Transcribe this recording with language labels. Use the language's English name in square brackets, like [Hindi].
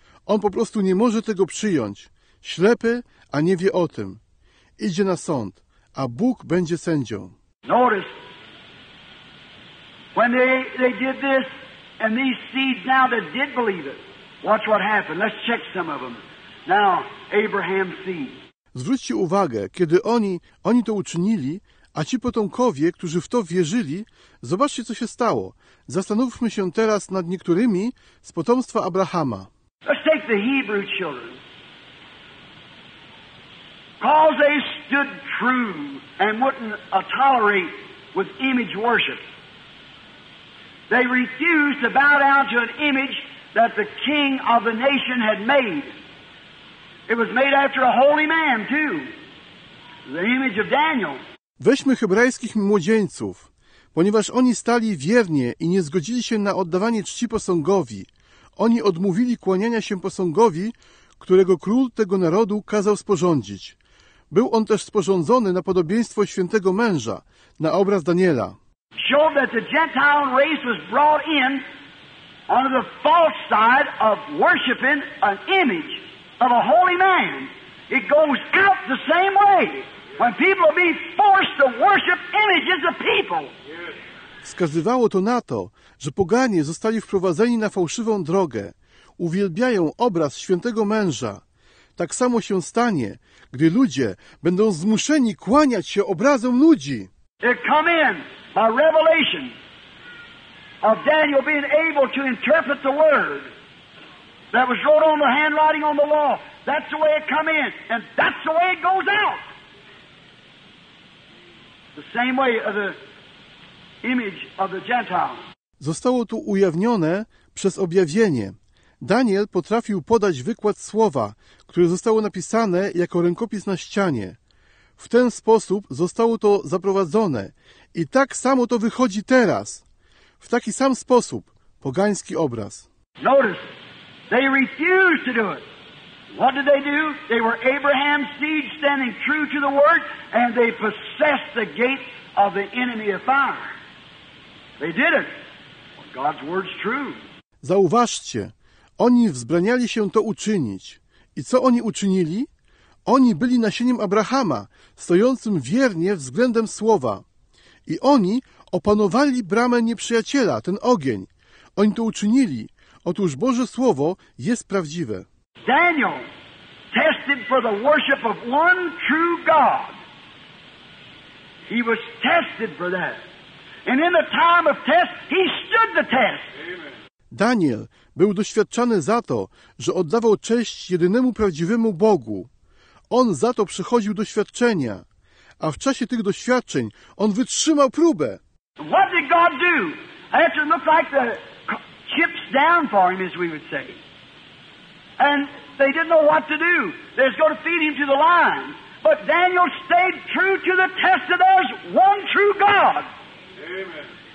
[Polish] On po prostu nie może tego przyjąć. Ślepy, a nie wie o tym. Idzie na sąd, a Bóg będzie sędzią. [English] Notice, when they did this, and these seeds now that did believe it, watch what happened. Let's check some of them. Now, Abraham's seed. [Polish] Zwróćcie uwagę, kiedy oni to uczynili, a ci potomkowie, którzy w to wierzyli, zobaczcie, co się stało. Zastanówmy się teraz nad niektórymi z potomstwa Abrahama. [English] Let's take the Hebrew children. Because they stood true and wouldn't tolerate with image worship. They refused to bow down to an image that the king of the nation had made. It was made after a holy man too. The image of Daniel. [Polish] Weźmy hebrajskich młodzieńców. Ponieważ oni stali wiernie i nie zgodzili się na oddawanie czci posągowi, oni odmówili kłaniania się posągowi, którego król tego narodu kazał sporządzić. Był on też sporządzony na podobieństwo świętego męża, na obraz Daniela. [English] Showed that the Gentile race was brought in on the false side of worshiping an image of a holy man. It goes out the same way when people are being forced to worship images of people. [Polish] Wskazywało to na to, że poganie zostali wprowadzeni na fałszywą drogę. Uwielbiają obraz świętego męża. Tak samo się stanie, gdy ludzie będą zmuszeni kłaniać się obrazom ludzi. [English] They come in by revelation of Daniel being able to interpret the word that was wrote on the handwriting on the law. That's the way it come in, and that's the way it goes out. The same way of the image of the Gentile. [Polish] Zostało to ujawnione przez objawienie. Daniel potrafił podać wykład słowa, które zostało napisane jako rękopis na ścianie. W ten sposób zostało to zaprowadzone i tak samo to wychodzi teraz. W taki sam sposób pogański obraz. [English] Notice, they refused to do it. What did they do? They were Abraham's seed standing true to the word and they possessed the gate of the enemy of fire. They did it. God's word's true. [Polish] Zauważcie, oni wzbraniali się to uczynić. I co oni uczynili? Oni byli nasieniem Abrahama, stojącym wiernie względem słowa. I oni opanowali bramę nieprzyjaciela, ten ogień. Oni to uczynili. Otóż Boże Słowo jest prawdziwe. [English] Daniel tested for the worship of one true God. He was tested for that. And in the time of test, he stood the test. [Polish] Daniel był doświadczany za to, że oddawał cześć jedynemu prawdziwemu Bogu. On za to przechodził doświadczenia. A w czasie tych doświadczeń on wytrzymał próbę. [English] What did God do? After it looked like the chips down for him, as we would say. And they didn't know what to do. They was going to feed him to the lion. But Daniel stayed true to the test of there's one true God. Amen.